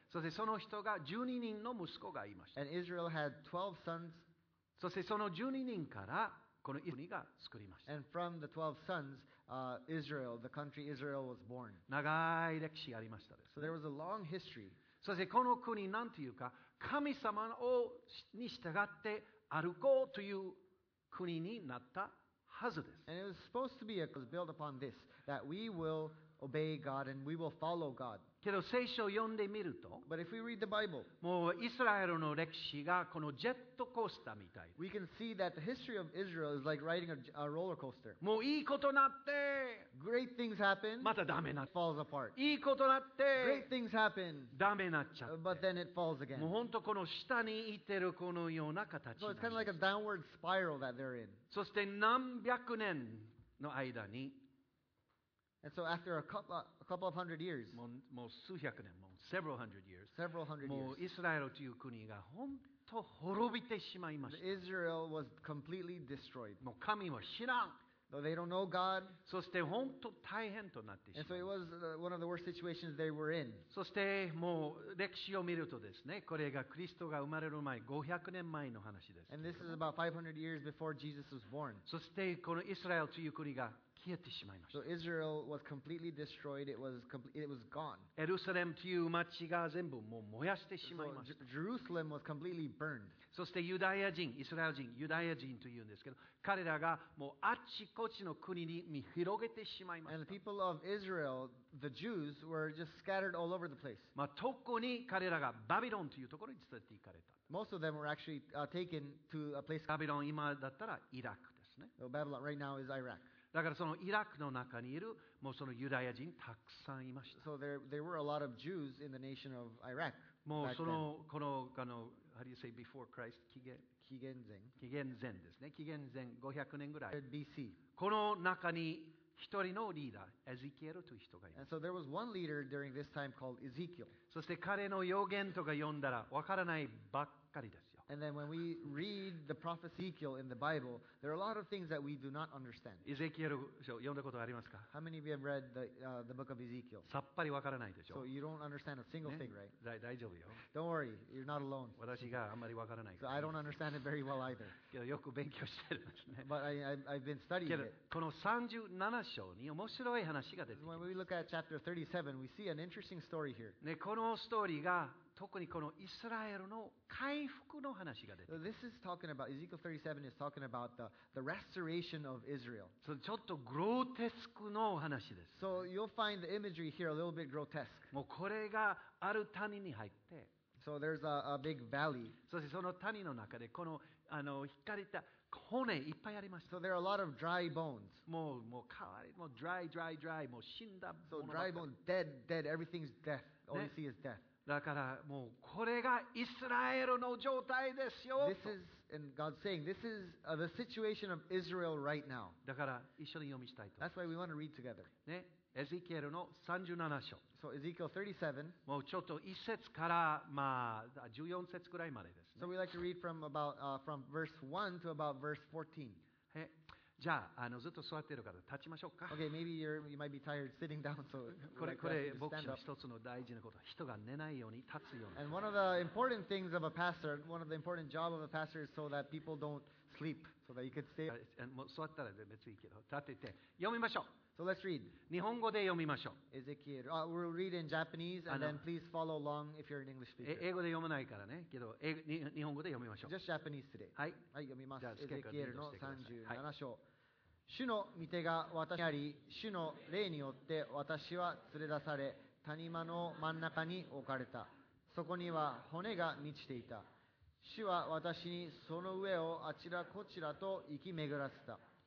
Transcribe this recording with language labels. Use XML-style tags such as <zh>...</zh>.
<ja>そしてその人が12人の息子がいました。</ja> <en>And Israel had 12 sons.</en> <ja>そしてその12人からこのイスラエルが作りました。</ja> <en>And from the 12 sons, Israel, the country Israel was born.</en> <ja>長い歴史ありましたです、ね。</ja> <en>So there was a long history.</en> <ja>そしてこの国なんていうか神様をに従って歩こうという国になったはずです。</ja> <en>And it was supposed to be built upon this, that we will obey God and we will follow God.</en> <ja>けど聖書を読んでみると、</ja> <en>But if we read the Bible,</en> <ja>もうイスラエルの歴史がこのジェットコースターみたい。</ja> <en>We can see that the history of Israel is like riding a roller coaster.</en> <ja>もういいことなって、</ja> <en>Great things happen,</en> <ja>またダメなって、</ja> <en>falls apart.</en> <ja>いいことなって、</ja> <en>Great things happen,</en> <ja>ダメなっちゃって、</ja> <en>but then it falls again.</en> <ja>もう本当この下にいてるこのような形なんです。</ja> <en>So it's kind of like a downward spiral that they're in.</en> <ja>そして何百年の間に。</ja> <en>And so after a couple of hundred years,</en> <ja>もう数百年、もう</ja> <en>several hundred years, several hundred years,</en> <ja>もうイスラエルという国が本当滅びてしまいました。</ja> <en>Israel was completely destroyed.</en> <ja>もう神は知らん。</ja> <en>Though they don't know God.</en> <ja>そして本当大変となってしまう。</ja> <en>And so it was one of the worst situations they were in.</en> <ja>そしてもう歴史を見るとですね、これがクリストが生まれる前、500年前の話です。</ja> <en>And this is about 500 years before Jesus was born.</en> <ja>そしてこのイスラエルという国が消えてしまいました。</ja> <en>So Israel was completely destroyed. It was gone.</en> <ja>エルサレムという街が全部もう燃やしてしまいました。</ja> <en>So Jerusalem was completely burned.</en> <ja>そしてユダヤ人、イスラエル人、ユダヤ人というんですけど、彼らがもうあちこちの国に見広げてしまいました。</ja> <en>And the people of Israel, the Jews, were just scattered all over the place.</en> <ja>まあ特に彼らがバビロンというところに連れて行かれた。</ja> <en>Most of them were actually taken to a place.</en> <ja>バビロン今だったらイラク。ですね。</ja> <en>So Babylon right now is Iraq.</en> <ja>だからそのイラクの中にいるもうそのユダヤ人たくさんいました。</ja> <en>So there were a lot of Jews in the nation of Iraq.</en> <ja>もうそのこのあの</ja> <en>How do you say before Christ?</en> <ja>紀元前ですね。紀元前500年ぐらい。</ja> <en>B.C.</en> <ja>この中に一人のリーダー、エゼキエルという人がいます。</ja> <en>And so there was one leader during this time called Ezekiel.</en> <ja>そして彼の予言とか読んだらわからないばっかりですよ。</ja> <en>And then when we read the prophet Ezekiel in the Bible, there are a lot of things that we do not understand.</en> <ja>エゼキエル書読んだことありますか？</ja> <en>How many of you have read the book of Ezekiel?</en> <ja>さっぱりわからないでしょ。</ja> <en>So you don't understand a single thing, right?</en> <ja>大丈夫よ。</ja> <en>Don't worry, you're not alone.</en> <ja>私があんまりわからないから。</ja> <en>So I don't understand it very well either.</en> <ja>けどよく勉強してるんですね。</ja> <en>But I've been studying it.</en> <ja>この37章に面白い話が出てきます。</ja> <en>When we look at chapter 37, we see an interesting story here.</en> <ja>ね、このストーリーが特にこのイスラエルの回復の話が出てきます。</ja> <en>This is talking about, Ezekiel 37 is talking about the restoration of Israel.</en> <ja>So ちょっとグロテスクの話です。</ja> <en>So you'll find the imagery here a little bit grotesque.</en> <ja>もうこれがアル谷に入って。</ja> <en>So there's a big valley.</en> <ja>そしてその谷の中でこの、あの、光った骨いっぱいありました。</ja> <en>So there are a lot of dry bones.</en> <ja>もう変わり、もう dry, もう死んだ。</ja> <en>So dry bones, dead, everything's death. All you see is death.</en> <ja>だからもうこれがイスラエルの状態ですよ。</ja> <en>This is and God's saying this is the situation of Israel right now.</en> <ja>だから一緒に読みしたいと。</ja> <en>That's why we want to read together.</en> <ja>ね、エゼキエルの37章。</ja> <en>So Ezekiel 37.</en> <ja>もうちょっと一節からまあ14節ぐらいまでですね。</ja> <en>So we like to read from about from verse 1 to about verse 14. へ。</en> <ja>じゃ あ, あのずっと座っている方立ちましょうか。</ja> <en>Okay, maybe you might be tired sitting down. So</en> <ja>これ牧師の一つの大事なこと、人が寝ないように立つように。</ja> <en>And one of the important things of a pastor, one of the important job of a pastor is so that people don't sleep, so that you could stay.</en> <ja>座ったら別にいいけど、立てて読みましょう。</ja> <en>So let's read.</en> <ja>日本語で読みましょう。</ja> <en>Ezekiel. We'll read in Japanese, and then please follow along if you're an English speaker.</en> <ja>英語で読まないからね。けど日本語で読みましょう。</ja> <en>Just Japanese today.</en> <ja>はい。はい、読みます。Ezekiel の37章。主の御手が私にあり、主の霊によって私は連れ出され、谷間の真ん中に置かれた。そこには骨が満ちていた。主は私にその上をあちらこちらと行き巡らせた。</ja>